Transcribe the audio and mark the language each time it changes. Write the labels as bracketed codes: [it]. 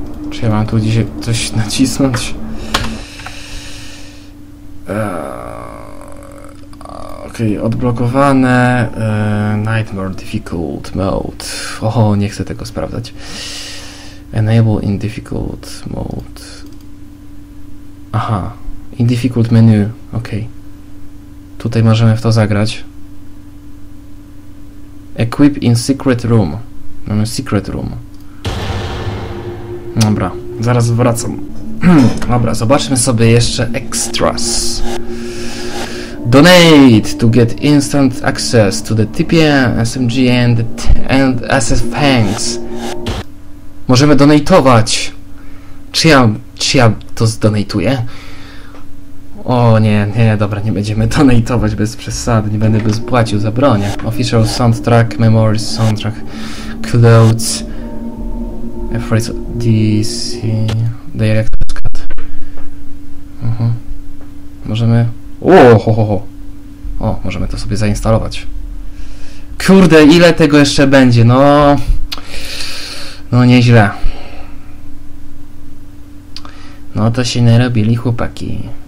[pl] Czy ja mam tu dzisiaj coś nacisnąć? Okej, okay, odblokowane. Nightmare difficult mode. Oho, nie chcę tego sprawdzać. [en] Enable in difficult mode. [pl] Aha, [en] in difficult menu. [pl] Okej. Okay. Tutaj możemy w to zagrać. [en] Equip in secret room. Mamy secret room. [pl] Dobra, zaraz wracam. Dobra, zobaczmy sobie jeszcze extras. [en] Donate to get instant access to the TPM, SMG and SS Fangs. [pl] Możemy donatować. Czy ja to zdonatuję? O nie, nie, dobra, nie będziemy donatować bez przesady, nie będę bez płacił za bronię. [en] Official soundtrack, memories, soundtrack, clothes, efforts, DC, director's cut. [pl] Możemy... O, możemy to sobie zainstalować. Kurde, ile tego jeszcze będzie, no... No nieźle. No to się narobili chłopaki.